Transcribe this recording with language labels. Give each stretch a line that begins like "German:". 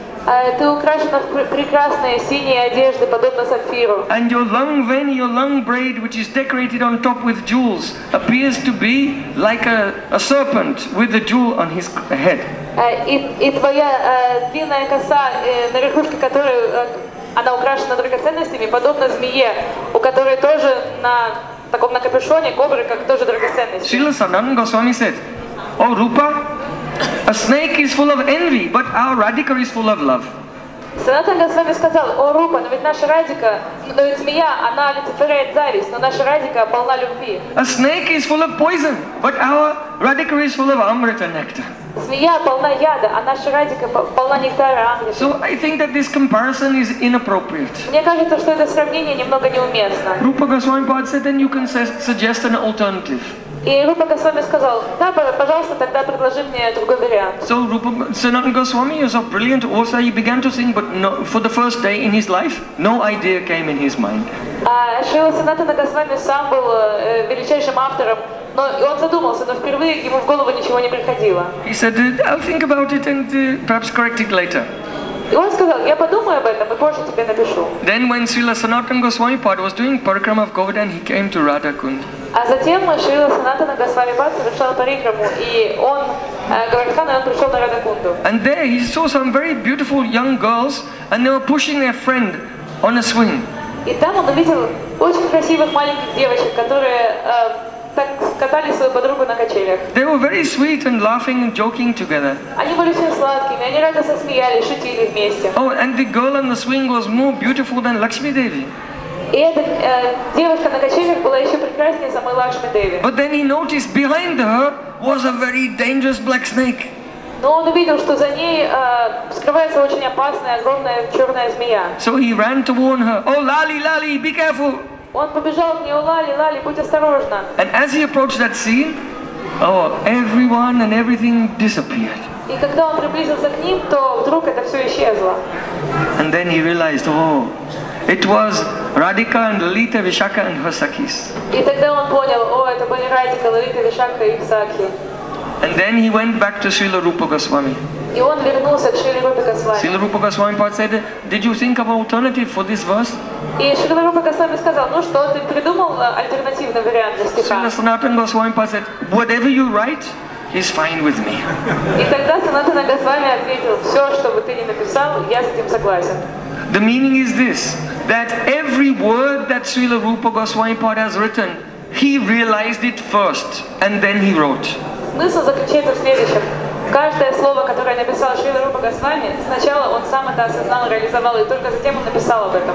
English: And your lung braid, which is decorated on top with jewels, appears to be like a serpent with a jewel on his head.
Russian: И твоя длинная коса, на верхушке которой она украшена драгоценностями, подобна змее, у которой тоже на таком на капюшоне кобры, как тоже драгоценности.
English: Шрила Санатана Госвами said, "О, Рупа, a snake is full of envy, but our Радика is full of love."
Russian: Санатана Госвами сказал, "О, Рупа, но ведь наша Радика, но ведь змея, она олицетворяет зависть, но наша Радика полна любви."
English: A snake is full of poison, but our Радика is full of amrita nectar.
Russian: Змея полна яда, а наша радика полна нектара амриты.
English: So I think that this comparison is inappropriate.
Russian: Мне кажется, что это сравнение немного неуместно.
English: Rupa Goswami Pad said, then you can suggest an alternative.
Russian: И Rupa Goswami сказал, да, пожалуйста, тогда предложи мне другой вариант.
English: So Rupa Sanatana Goswami is a brilliant author. He began to sing, but no, for the first day in his life, no idea came in his mind.
Russian: Шрила Санатана Госвами сам был величайшим автором. Но и он задумался, но впервые ему в голову ничего не приходило.
English: He said, "I'll think about it and perhaps correct it later."
Russian: И он сказал, "Я подумаю об этом и позже тебе напишу."
English: Then when Srila Sanatana Goswami Pad was doing Parikrama of Govardhan, he came to Radha Kund.
Russian: А затем Srila Sanatana Goswami Pad совершал Парикраму, и он Говардхан, и он пришел на Радха Кунду.
English: And there he saw some very beautiful young girls, and they were pushing their friend on a swing.
Russian: И там он увидел очень красивых маленьких девочек, которые так катали свою подругу на качелях.
English: They were very sweet and laughing and joking together.
Russian: Они были очень сладкими, они радостно смеялись, шутили вместе.
English: Oh, and the girl on the swing was more beautiful than Lakshmi Devi.
Russian: И эта девушка на качелях была еще прекраснее самой Лакшми Деви.
English: But then he noticed behind her was a very dangerous black snake.
Russian: Но он увидел, что за ней скрывается очень опасная, огромная черная змея.
English: So he ran to warn her. Oh, Lali, Lali, be careful!
Russian: Он побежал к ней, о, Лали, Лали, будь осторожна.
English: And as he approached that scene, oh, everyone and everything disappeared.
Russian: И когда он приблизился к ним, то вдруг это все исчезло.
English: And then he realized, oh, it was Radhika and Lalita, Vishakha and her sakis.
Russian: И тогда он понял, о, это были Радика, Лалита, Вишакха и их сакхи.
English: And then he went back to Srila Rupa Goswami.
Russian: И он вернулся к Шриле Рупе Госвами.
English: Srila Rupa Goswami Pad said, "Did you think of an alternative for this verse?"
Russian: И Шрила Рупа Госвами сказал, "Ну что, ты придумал альтернативный вариант для стиха?"
English: Srila Sanatana Goswami Pad said, "Whatever you write is fine with me."
Russian: И тогда Санатана Госвами ответил, "Все, что бы ты ни написал, я с этим согласен."
English: The meaning is this, that every word that Srila Rupa Goswami Pad has written, he realized it first, and then he wrote.
Russian: Смысл заключается в следующем. Каждое слово, которое написал Шрила Рупа Госвами, сначала он сам это осознал, реализовал, и только затем он написал об этом.